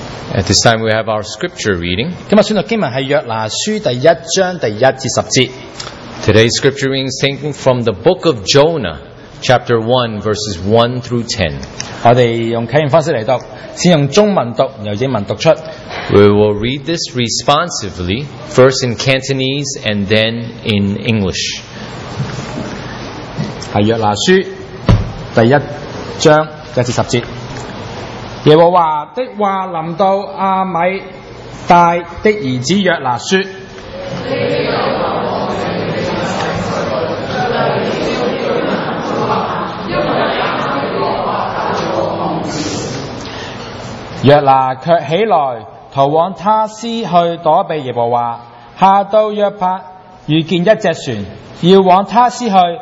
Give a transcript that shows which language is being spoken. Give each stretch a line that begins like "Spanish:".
English: At this time, we have our scripture reading.
Cantonese: 今日宣读经文系约拿书第一章第一至十节。
English: Today's scripture reading is taken from the book of Jonah, chapter 1, verses 1 through 10.
Cantonese: 我哋用启用方式嚟读，先用中文读，由英文读出。
English: We will read this responsively, first in Cantonese and then in English.
Cantonese: 系约拿书第一章一至十节。耶和华的话临到阿米大的儿子约拿说，约拿却起来逃往他斯去躲避耶和华，下到约帕遇见一只船要往他斯去，